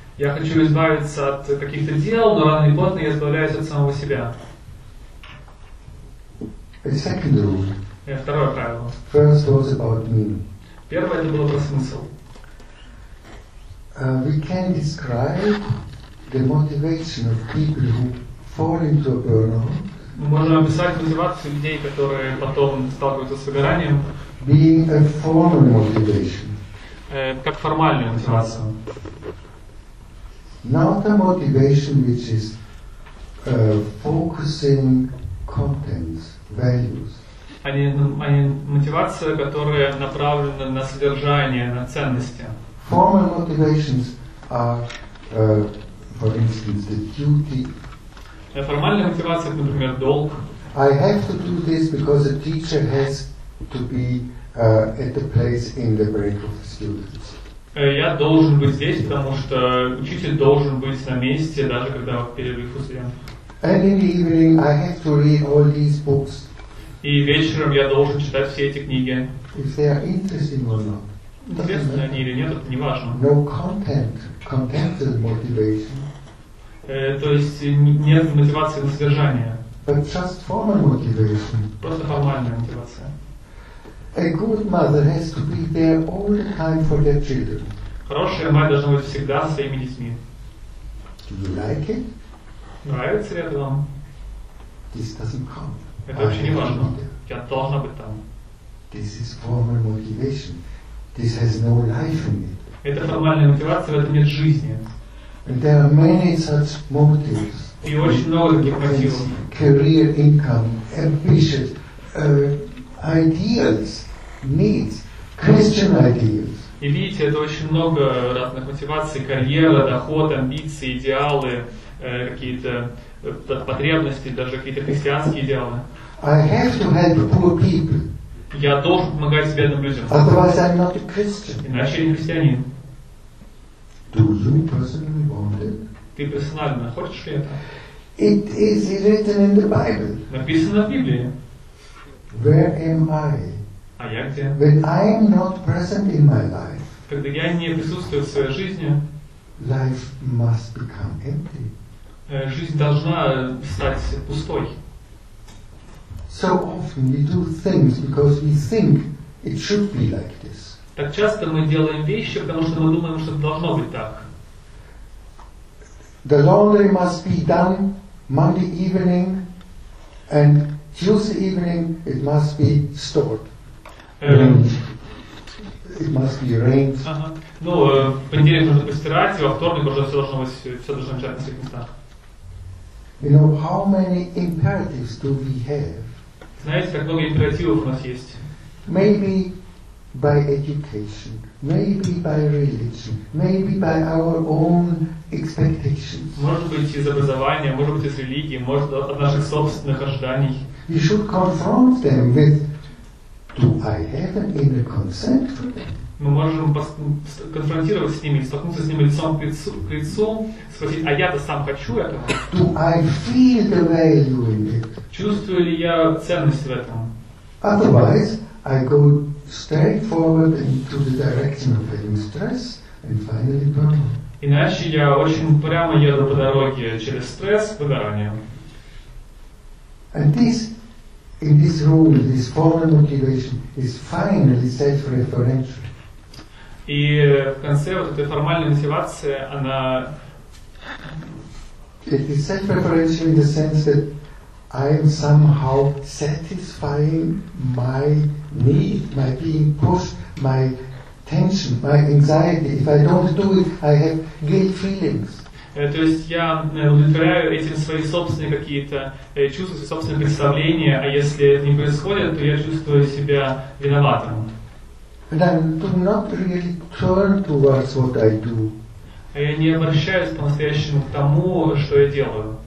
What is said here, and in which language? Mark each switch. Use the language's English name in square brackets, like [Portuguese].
[Russian] Я хочу избавиться от каких-то дел, но рано или поздно я избавляюсь от самого себя. [English] A second rule. [Russian] Второе правило. [English] First was about meaning. [Russian] Первое это было про смысл. [English] We can describe the motivation of people who fall into a burnout. [Russian] Мы можем описать мотивацию людей, которые потом сталкиваются с выгоранием. [English] Being a formal motivation. [Russian] Как формальная мотивация. [English] Not a motivation which is focusing contents, values. [Russian] Они мотивация, которая направлена на содержание, на ценности. [English] Formal motivations are, for instance, the duty. [Russian] Формальная мотивация, например, долг. [English] I have to do this because a teacher has to be at the place in the break of the students. [Russian] Я должен быть здесь, потому что учитель должен быть на месте, даже когда перерыв у студентов. [English] And in the evening I have to read all these books. [Russian] И вечером я должен читать все эти книги. [English] If they are interesting or not. [Russian] Интересны они или нет, это не важно. [English] No content. Content is motivation. [Russian] То есть нет мотивации на содержание. [English] But just formal motivation. [Russian] Просто формальная мотивация. [English] A good mother has to be there all the time for their children. [Russian] Хорошая мать должна быть всегда со своими детьми. [English] Do you like it? [Russian] Нравится ли это вам? [English] This doesn't count. [Russian] Это вообще не важно. Я должна быть там. [English] This is formal motivation. This has no life in it. [Russian] Это формальная мотивация, в этом нет жизни. [English] And there are many such motives. [Russian] И очень много таких мотивов. [English] Career, income, ambitions, ideas, needs, Christian ideas. [Russian] И видите, это очень много разных мотиваций: карьера, доход, амбиции, идеалы, какие-то потребности, даже какие-то христианские идеалы. [English] I have to help poor people. [Russian] Я должен помогать бедным людям. [English] Otherwise I'm not a Christian. [Russian] Иначе я не христианин. [English] Do you personally want it? [Russian] Ты персонально хочешь ли это? [English] It is written in the Bible. [Russian] Написано в Библии. [English] Where am I? [Russian] А я где? [English] When I am not present in my life. [Russian] Когда я не присутствую в своей жизни. [English] Life must become empty. [Russian] Жизнь должна стать пустой. [English] So often we do things because we think it should be like this. [Russian] Так часто мы делаем вещи, потому что мы думаем, что должно быть так. [English] The laundry must be done Monday evening, and Tuesday evening it must be stored. It must be arranged. [Russian] Ага. Ну, в понедельник нужно постирать, и во вторник уже все должно начать на своих местах. [English] You know how many imperatives do we have? [Russian] Знаете, как много императивов у нас есть? [English] Maybe by education, maybe by religion, maybe by our own expectations. [Russian] Может быть из образования, может быть из религии, может от наших собственных ожиданий. [English] We should confront them with, do I have an inner consent for them? [Russian] мы можем конфронтировать с ними, столкнуться с ними лицом к лицу, спросить, а я-то сам хочу этого? [English] Do I feel the value in it? [Russian] Чувствую ли я ценность в этом? [English] Otherwise, I go straight forward into the direction of feeling stress and finally burnout. [Russian] Иначе я очень прямо еду по дороге через стресс к выгоранию. [English] And this, in this rule, this form of motivation is finally self-referential. [Russian] И в конце вот эта формальная мотивация, она... [English] It is self-referential in the sense that I am somehow satisfying my need, my being pushed, my tension, my anxiety. If I don't do it, I have guilt feelings. [Russian] То есть я удовлетворяю этим свои собственные какие-то чувства, свои собственные представления, а если это не происходит, то я чувствую себя виноватым. [English] And I do not really turn towards what I do. [Russian] Я не обращаюсь по-настоящему к тому, что я делаю.